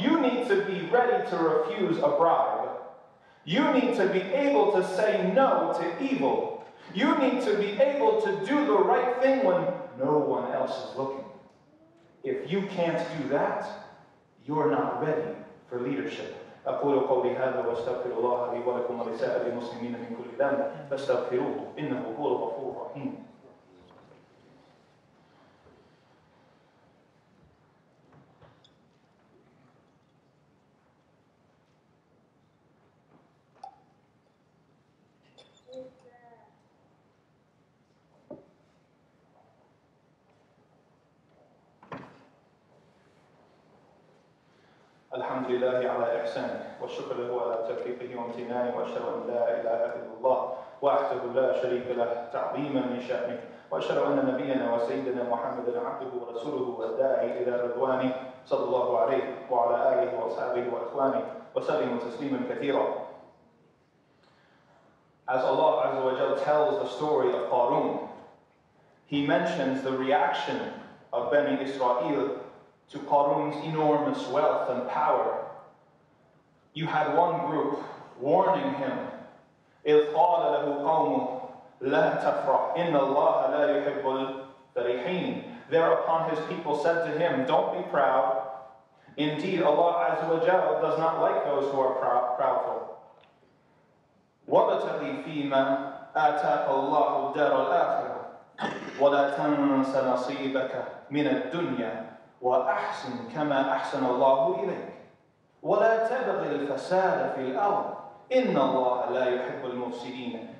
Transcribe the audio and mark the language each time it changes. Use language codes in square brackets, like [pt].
[en] You need to be ready to refuse a bribe. You need to be able to say no to evil. You need to be able to do the right thing when no one else is looking. If you can't do that, you're not ready for leadership. [ar] أقول قولي هذا وأستغفر الله لي ولكم ولسائر المسلمين من كل ذنب فاستغفروه إنه هو الغفور الرحيم. الحمد لله على إحسانه والشكر له على توفيقه وامتنانه وأشهد أن لا إله إلا الله وحده لا شريك له تعظيما من شأنه وأشهد أن نبينا وسيدنا محمد عبده ورسوله والداعي إلى رضوانه صلى الله عليه وعلى آله وأصحابه وإخوانه وسلم تسليما كثيرا. [en] As Allah عز وجل tells the story of Qarun, He mentions the reaction of Bani Israel to Qarun's enormous wealth and power. You had one group warning him, [ar] إِذْ قَالَ لَهُ قَوْمُ لَا تَفْرَحْ إِنَّ اللَّهَ لَا يُحِبُّ الْفَرِحِينَ. [en] Thereupon his people said to him, don't be proud. Indeed, Allah Azza wa Jalla does not like those who are proudful. [ar] وَبَتَغِي فِي مَنْ آتَاكَ اللَّهُ الدَّارَ الْآخِرَةَ وَلَا تَنْسَ نَصِيبَكَ مِنَ الدُّنْيَا وَأَحْسِنْ كَمَا أَحْسَنَ اللَّهُ إِلَيْكَ وَلَا تَبْغِ الْفَسَادَ فِي الْأَرْضِ إِنَّ اللَّهَ لَا يُحِبُّ الْمُفْسِدِينَ.